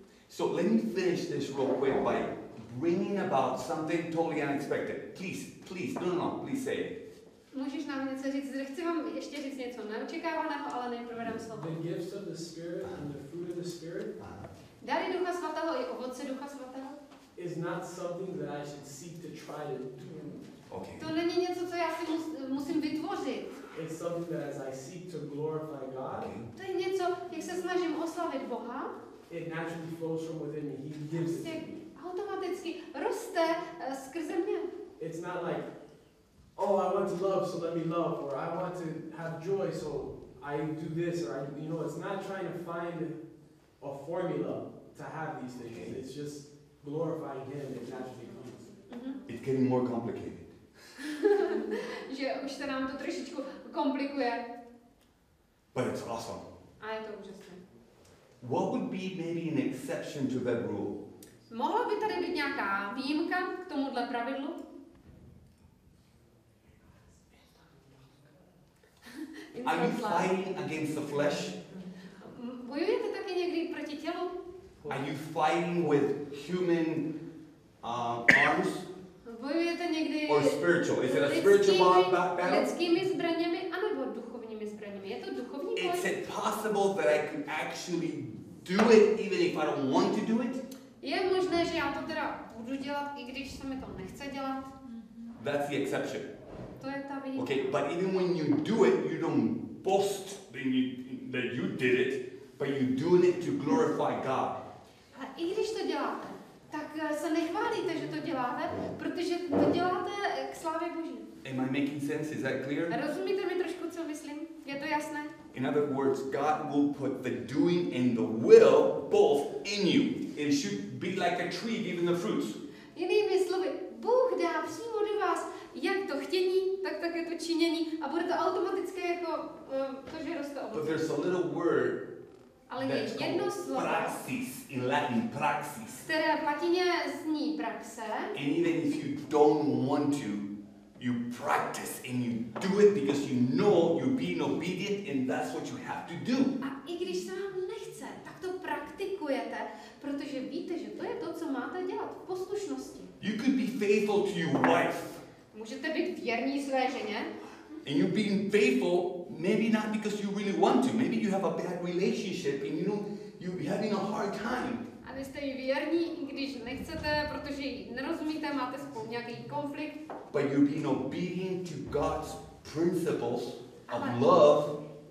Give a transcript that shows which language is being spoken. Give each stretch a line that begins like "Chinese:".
English: So let me finish this real quick by bringing about something totally unexpected. Please, please say it.
Czech: Můžeš nám něco říct? Zde chci vám ještě říct něco neočekávaného, ale nejprve dám slovo.
English: The gifts of the Spirit and the fruit of the Spirit.
Czech: Dary Ducha Svatého i ovoce Ducha Svatého.
English: Is not something that I should seek to try to do. Okay.
Czech: To není něco, co já si musím vytvořit.
English: It's something that as I seek to glorify God.
Czech: To je něco, jak se snažím oslavit Boha.
English: It naturally flows from within me. He gives it to me.
Czech: Automaticky roste skrze mě.
English: It's not like, oh, I want to love, so let me love, or I want to have joy, so I do this, or I, you know, it's not trying to find a formula to have these things. Okay. It's just glorifying Him, it naturally comes. Mm-hmm. It's getting more complicated.
Czech: Že už se nám to trošičku komplikuje.
English: But it's awesome.
Czech: A je to úžasné.
English: What would be maybe an exception to that rule?
Czech: Mohla by tady být nějaká výjimka k tomuhle pravidlu?
English: Are you fighting against the flesh?
Czech: Bojujete taky někdy proti tělu?
English: Are you fighting with human arms?
Czech: Bojujete někdy
English: or spiritual? Is it a spiritual battle?
Czech: Lidskými zbraněmi, anebo duchovními zbraněmi? Je to duchovní boj?
English: Is it possible that I can actually do it even if I don't want to do it?
Czech: Je možné, že já to teda budu dělat, i když se mi to nechce dělat?
English: That's the exception.
Czech: To je ta výjimka.
English: Okay, but even when you do it, you don't boast that you did it, but you're doing it to glorify God.
Czech: A i když to děláte, tak se nechválíte, že to děláte, protože to děláte k slávě Boží.
English: Am I making sense? Is that clear?
Czech: Rozumíte mi trošku, co myslím? Je to jasné?
English: In other words, God will put the doing and the will both in you. It should be like a tree giving the fruits.
Czech: Jinými slovy, Bůh dá přímo do vás jak to chtění, tak také to činění a bude to automatické jako to, že roste ovoce.
English: But there's a little word.
Czech: Ale je jedno slovo.
English: Praxis, in Latin, praxis.
Czech: Které v latině zní praxe.
English: And even if you don't want to, you practice and you do it because you know you're being obedient and that's what you have to do.
Czech: A i když se vám nechce, tak to praktikujete, protože víte, že to je to, co máte dělat v poslušnosti.
English: You could be faithful to your wife.
Czech: Můžete být věrní své ženě.
English: And you're being faithful maybe not because you really want to. Maybe you have a bad relationship and you know you're having a hard time.
Czech: A vy jste věrní, i když nechcete, protože nerozumíte, máte spolu nějaký konflikt.
English: But you're being obedient to God's principles of love.